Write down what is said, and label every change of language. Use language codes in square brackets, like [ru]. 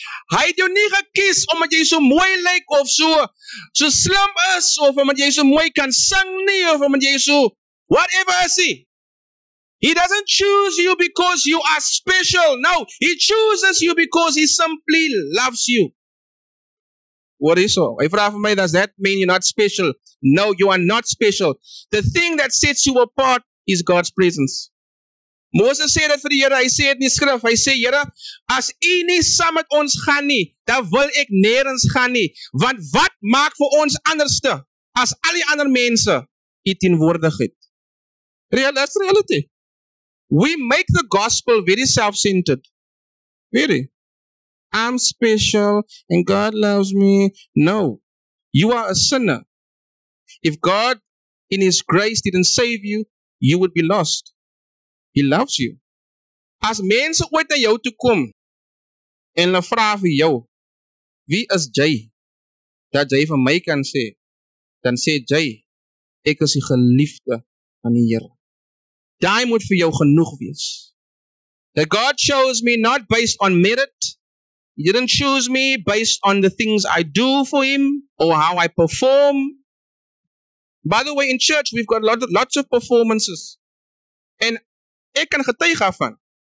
[af] Hy het jou nie gekies omdat jy so mooi lyk of so slim is of omdat jy so mooi kan sing nie of omdat jy so whatever is he. [en] He doesn't choose you because you are special. No, he chooses you because he simply loves you. What is so? If you ask me, does that mean you're not special? No, you are not special. The thing that sets you apart is God's presence. [af] Moses sê dit vir die Here, hy sê dit in die skrif, hy sê, Here, as u nie saam met ons gaan nie, dan wil ek nêrens gaan nie, want wat maak vir ons anderste, as al die ander mense, u teenwoordigheid. [en] That's reality. We make the gospel very self-centered. Very. I'm special, and God loves me. No. You are a sinner. If God, in his grace, didn't save you, you would be lost. He loves you. [af] As mense ooit na jou toe kom en hulle vra vir jou, wie is jy? Dat jy vir my kan sê, dan sê jy, ek is die geliefde van die Here. Daai moet vir jou genoeg wees. [en] That God chose me not based on merit. He didn't choose me based on the things I do for him or how I perform. By the way, in church we've got lots of performances. And [af] ek kan getuig daarvan.